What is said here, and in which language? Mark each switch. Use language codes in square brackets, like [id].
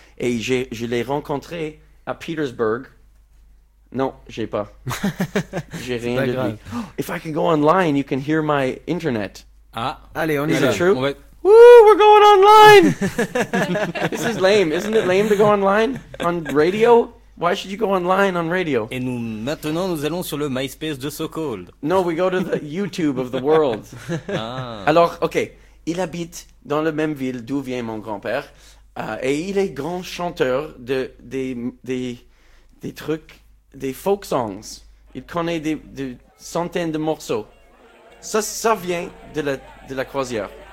[fr] Et je l'ai rencontré à Petersburg. Non, j'ai pas. J'ai rien de grave. Dit. [en] If I can go online, you can hear my internet. [fr] Ah, allez, on y va. [en] Is it true? Woo, we're going online! This is lame. Isn't it lame to go online on radio? Why should you go online on radio? [fr] Et maintenant, nous allons sur le MySpace de SoCold. [en] No, we go to the YouTube of the world. [fr] Ah. Alors, ok. Il habite dans la même ville d'où vient mon grand-père. Et il est grand chanteur des trucs... des folk songs. Il connaît des centaines de morceaux. Ça vient de la croisière.